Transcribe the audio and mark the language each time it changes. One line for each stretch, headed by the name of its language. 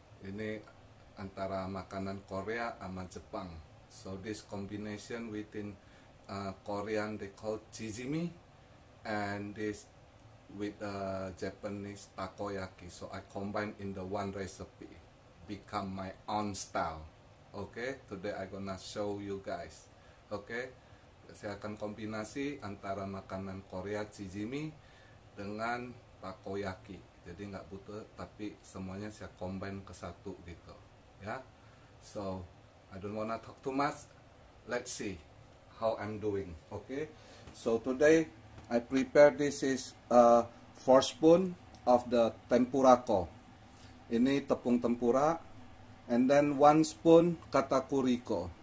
Indonesian: Ini antara makanan Korea sama Jepang.
English: So this combination within Korean they call Chijimi and this with Japanese Takoyaki. So I combine in the one recipe become my own style.
Indonesian: Okay,
English: today I gonna show you guys.
Indonesian: Okay, saya akan kombinasi antara makanan Korea Chijimi dengan Takoyaki. Jadi nggak butuh, tapi semuanya saya combine ke satu gitu.
English: Ya, so I don't wanna talk too much. Let's see how I'm doing. Okay, so today I prepare this is 4 spoon of the tempura ko.
Indonesian: Ini tepung tempura.
English: And then 1 spoon katakuriko.